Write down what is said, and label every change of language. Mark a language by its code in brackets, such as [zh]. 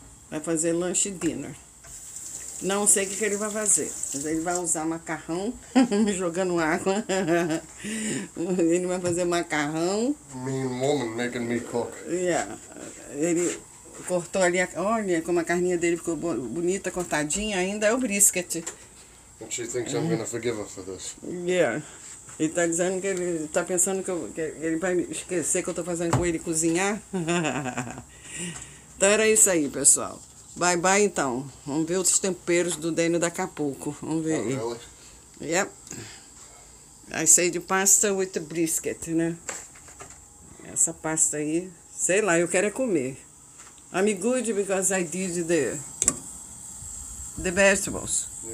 [pt] Vai fazer lanche dinner. Não sei o que ele vai fazer, mas ele vai usar macarrão, jogando água. Ele vai fazer macarrão. [en] Mean woman making me cook. Yeah. [pt] Ele cortou ali, olha como a carninha dele ficou bonita, cortadinha, ainda é o brisket. [en] And she thinks I'm gonna forgive her for this. Yeah. [pt] Ele tá dizendo que ele tá pensando que, ele vai esquecer que eu tô fazendo com ele cozinhar. Então era isso aí, pessoal. Bye bye então. Vamos ver os temperos do Daniel daqui a pouco. Vamos ver. [en] Oh, really? Yep. I say the pasta with the brisket, né? [pt] Essa pasta aí, sei lá, eu quero é comer. [en] I'm good because I did the vegetables.